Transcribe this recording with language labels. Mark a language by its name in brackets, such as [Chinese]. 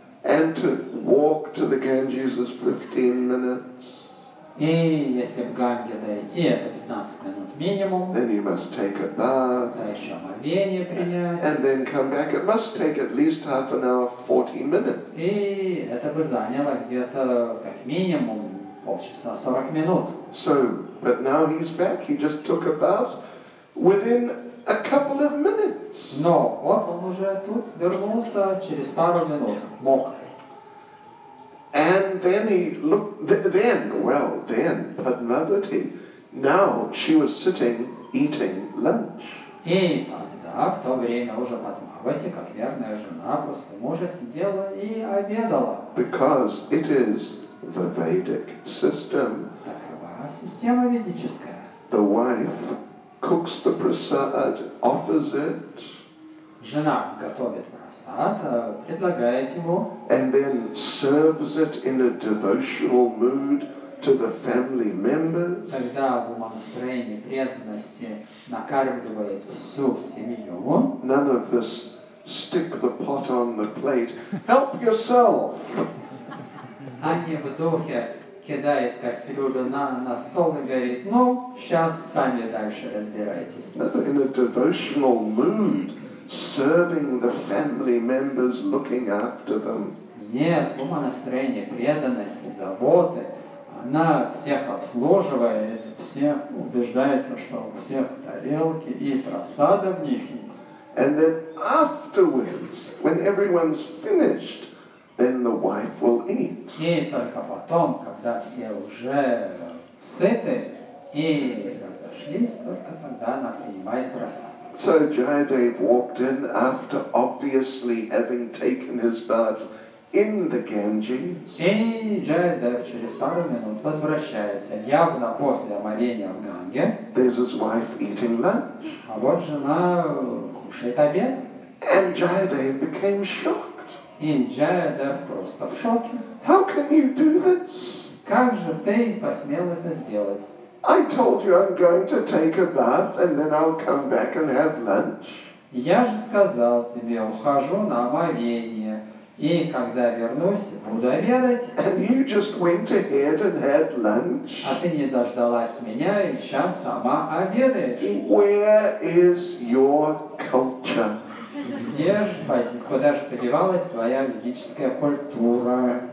[English] And to walk to the Ganges is 15 minutes. [Russian] И если в Ганге дойти, это 15 минут минимум. [English] Then you must take a bath. [Russian] Да еще омовение принять. [English] And then come back. It must take at least half an hour, 40 minutes. [Russian] И это бы заняло где-то как минимум полчаса, 40 минут. [English] So, but now he's back. He just took a bath within a couple of minutes. [Russian] Но вот он уже тут вернулся через пару минут, мокрый. [English] And then he looked, then Padmavati, now she was sitting, eating lunch. [Russian] И тогда, в то время уже Падмавати, как верная жена, после мужа сидела и обедала. [English] Because it is the Vedic system. [Russian] Такова система ведическая. [English] The wife cooks the prasad, offers it. [Russian] Жена готовит прасад, предлагает ему. [English] And then serves it in a devotional mood to the family members. [Russian] Тогда в умонастроении преданности накармливает всю семью. [English] None of this stick the pot on the plate. Help yourself! [Russian] А не в духе кидает кастрюлю на стол и говорит, ну, сейчас сами дальше разбирайтесь. [English] In a devotional mood. Serving the family members, looking after them. [Russian] Нет, в умонастроении преданности, заботы. Она всех обслуживает, все убеждается, что у всех тарелки и просада в них есть. [English] And then afterwards, when everyone's finished, then the wife will eat. [Russian] И только потом, когда все уже сыты и разошлись, только тогда она принимает просад. [English] So Jayadev walked in after obviously having taken his bath in the Ganges. [Russian] И Джайдев через пару минут возвращается, явно после омовения в Ганге. [English] There's his wife eating lunch. [Russian] А вот жена кушает обед. [English] And Jayadev became shocked. [Russian] И Джайдев просто в шоке. [English] How can you do this? [Russian] Как же ты посмел это сделать? [English] I told you I'm going to take a bath and then I'll come back and have lunch. [Russian] Я же сказал тебе, ухожу на омовение, и когда вернусь, буду обедать. [English] And you just went ahead and had lunch. [Russian] А ты не дождалась меня и сейчас сама обедаешь. [English] Where is your culture? [Russian] Где ж, куда же подевалась твоя ведическая культура?